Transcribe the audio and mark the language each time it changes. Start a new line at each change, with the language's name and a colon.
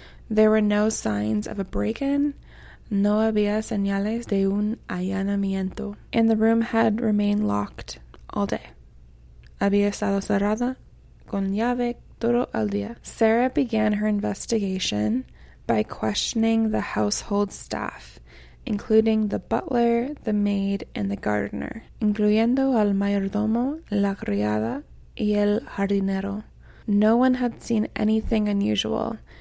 English: There were no signs of a break-in.
Spanish: No había señales de un allanamiento.
English: And the room had remained locked all day.
Spanish: Había estado cerrada con llave todo el día.
English: Sarah began her investigation by questioning the household staff, including the butler, the maid, and the gardener.
Spanish: Incluyendo al mayordomo, la criada, y el jardinero.
English: No one had seen anything unusual,